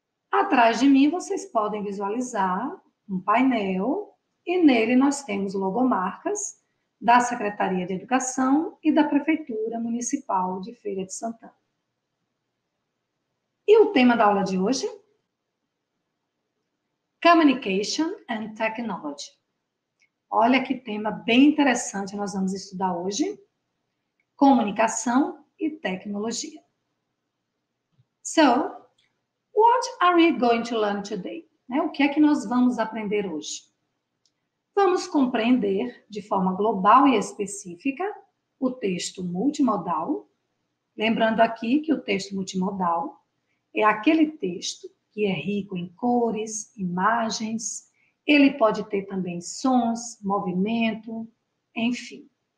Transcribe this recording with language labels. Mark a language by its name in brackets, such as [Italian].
[Portuguese] Atrás de mim vocês podem visualizar um painel e nele nós temos logomarcas da Secretaria de Educação e da Prefeitura Municipal de Feira de Santana. E o tema da aula de hoje? [English] Communication and Technology. [Portuguese] Olha que tema bem interessante nós vamos estudar hoje. Comunicação e tecnologia. [English] So, what are we going to learn today? [Portuguese] O que é que nós vamos aprender hoje? Vamos compreender de forma global e específica o texto multimodal. Lembrando aqui que o texto multimodal é aquele texto que é rico em cores, imagens, ele pode ter também sons, movimento, enfim.